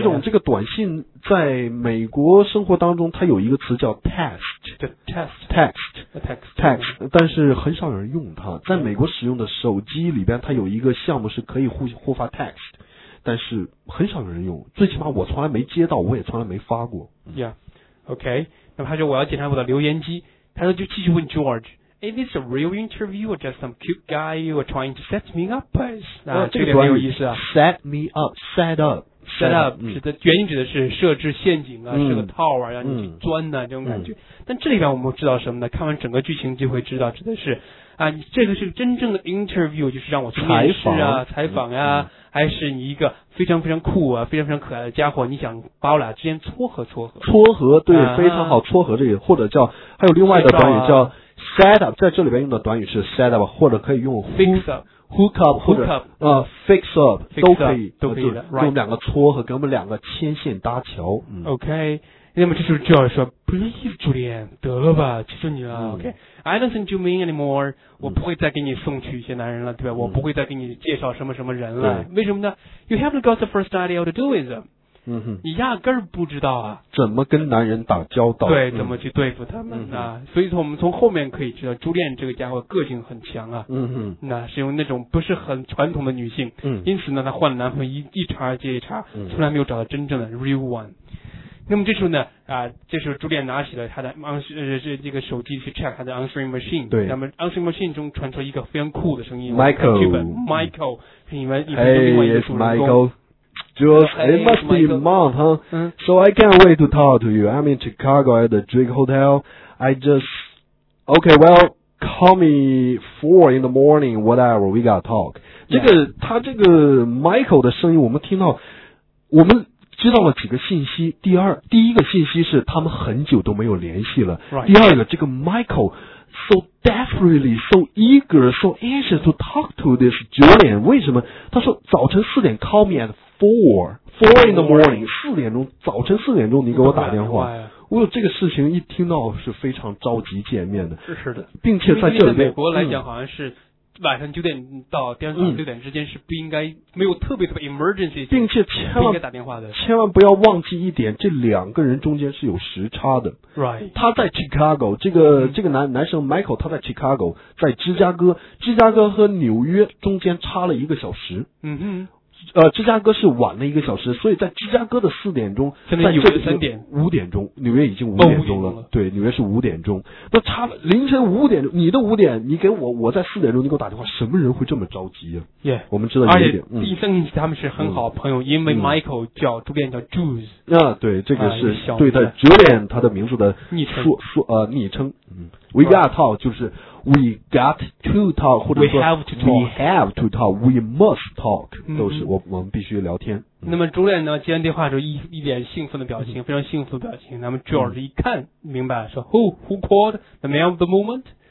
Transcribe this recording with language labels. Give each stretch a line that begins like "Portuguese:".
Chinese: 这种短信在美国生活当中，它有一个词叫 text， 但是很少有人用它。在美国使用的手机里边，它有一个项目是可以互发 text， 但是很少有人用。最起码我从来没接到，我也从来没发过。 OK， 那么他说我要检查我的留言机，他说就继续问 George。
English: Is this a real interview or just some cute guy you are trying to set me up with？
Chinese: 这个很有意思啊。
English: Set me up， set up
Chinese: 指的原因指的是设置陷阱啊，设个套啊，让你去钻呢、这种感觉。但这里边我们知道什么呢？看完整个剧情就会知道，指的是啊，你这个是真正的 interview， 就是让我去面试啊、采访呀、还是你一个非常非常酷啊、非常非常可爱的家伙，你想把我俩之间撮合？对，非常好，撮合这个，或者叫还有另外的短语叫。 Set up， 在这里边用的短语是 set up， 或者可以用
English: fix up 或者 fix up
Chinese: 都可以的，用两个撮合，给我们两个牵线搭桥。 OK， 那么这就是 George 说 ，Please， 朱莉安，得了吧，求求你了。
English: OK， I don't think you mean anymore，
Chinese: 我不会再给你送去一些男人了，对吧？我不会再给你介绍什么什么人了。
English: 为什么呢 ？You haven't got the first idea to do with them。
Chinese: 你压根儿不知道啊，怎么跟男人打交道？对，怎么去对付他们啊？所以说我们从后面可以知道，朱莉安这个家伙个性很强啊。那是用那种不是很传统的女性。因此呢，她换了男朋友一茬接一茬，从来没有找到真正的 real one。那么这时候呢，这时候朱莉安拿起了她的这个手机去 check 她的 answering machine。对。那么 answering machine 中传出一个非常酷的声音，Michael，是你们另外一个主人公。
English: Hey, it's Michael。 Jules, it must be month, huh? So I can't wait to talk to you. I'm in Chicago at the Drake Hotel. Okay, well, call me 4 in the morning, whatever, we gotta talk.
Chinese: 这个他这个 Michael 的声音我们听到，我们知道了几个信息。第一个信息是他们很久都没有联系了。第二个，这个
English: Michael so desperately, so eager, so anxious to talk to this Julian.
Chinese: 为什么？他说早晨四点
English: call me at four in the morning.
Chinese: 四点钟，早晨四点钟你给我打电话。我有这个事情一听到是非常着急见面的。是的，并且在这里美国来讲好像是。晚上九点到第二天六点之间是不应该没有特别 emergency, 并且千万不应该打电话的，千万不要忘记一点，这两个人中间是有时差的。
English: Right.
Chinese: 他在 Chicago, 这个男生 Michael, 他在 Chicago, 在芝加哥和纽约中间差了一个小时。嗯哼。芝加哥是晚了一个小时，所以在芝加哥的四点钟，在这三点五点钟，纽约已经五点钟了。对，纽约是五点钟。那差了凌晨五点钟，你的五点，你给我在四点钟，你给我打电话，什么人会这么着急啊？
English: Yeah,
Chinese: 我们知道有一点，而且一生他们是很好朋友，因为 Michael 叫主编叫 Jules。啊，对，这个是对他 Julian 他的名字的昵称。
English: We got to talk,
Chinese: 就是
English: we got to talk,
Chinese: 或者说
English: we have to talk, we must talk,
Chinese: 都是我们必须聊天。那么朱莲呢接完电话之后一脸兴奋的表情，非常兴奋的表情。那么 George 一看明白说
English: who called the man of the moment?